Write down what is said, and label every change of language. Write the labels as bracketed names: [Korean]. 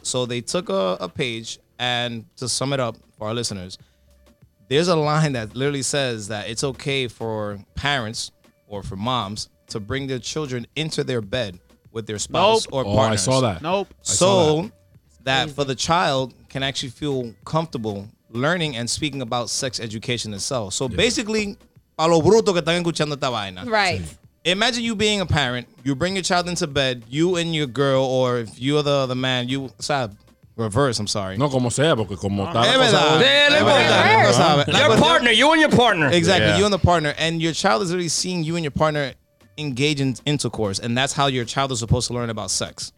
[English] So they took a page, and to sum it up for our listeners, there's a line that literally says that it's okay for parents or for moms to bring their children into their bed with their spouse or partners. Oh, I saw that. Nope. So that for the child can actually feel comfortable learning and speaking about sex education itself. So basically, [Spanish] a lo bruto que están escuchando esta vaina. [English] Right. Imagine you being a parent, you bring your child into bed, you and your girl, or if you're the man, you, reverse, I'm sorry. [Spanish] No, como sea, porque como tal. [English] Your partner, you and your partner. Exactly, you and the partner, and your child is really seeing you and your partner engage in intercourse, and that's how your child is supposed to learn about sex.